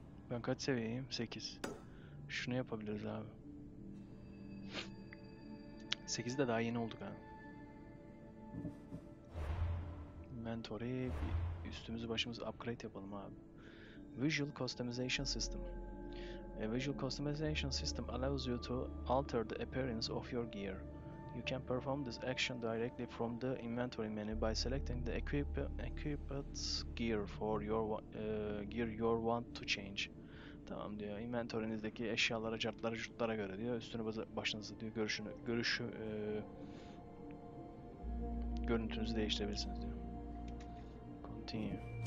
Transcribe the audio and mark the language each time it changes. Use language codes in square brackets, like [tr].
[tr] Ben kaç seviyeyim? 8. Şunu yapabiliriz abi. 8'i de daha yeni olduk ha. Inventory, üstümüzü başımızı upgrade yapalım abi. [en] Visual Customization System. A Visual Customization System allows you to alter the appearance of your gear. You can perform this action directly from the inventory menu by selecting the equipped gear for your gear you want to change. [tr] Tamam diyor. Inventory'nizdeki eşyalara, cartlara, jurtlara göre diyor. Üstünü başınızı diyor. Görüntünüzü değiştirebilirsiniz diyor. Continue.